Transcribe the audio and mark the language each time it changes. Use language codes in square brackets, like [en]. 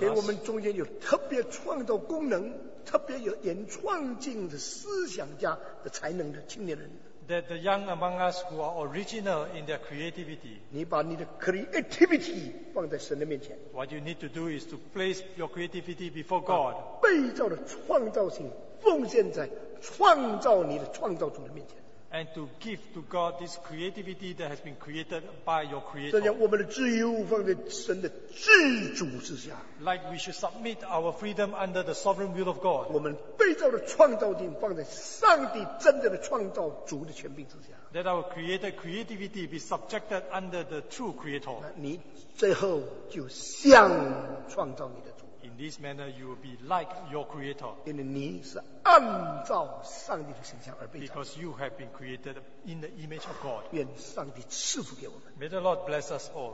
[zh] 给我们中间有特别创造功能。特别有原创性的思想家的才能的青年人 [en] that the young among us who are original in their creativity [zh] 你把你的 creativity 放在神的面前 [en] what you need to do is to place your creativity before God [zh] 被造的创造性奉献在创造你的创造主的面前 [en] and to give to God this creativity that has been created by your creator [zh] 这样我们的自由放在神的自主之下 [en] Like we should submit our freedom under the sovereign will of God. [zh] 我们被造的创造性放在上帝真正的创造主的权柄之下。 [en] Let our created creativity be subjected under the true creator. [zh] 你最后就像创造你的主。 [en] In this manner, you will be like your creator. [zh] 因为你是按照上帝的形象而被造。 [en] Because you have been created in the image of God. [zh] 愿上帝赐福给我们。 [en] May the Lord bless us all.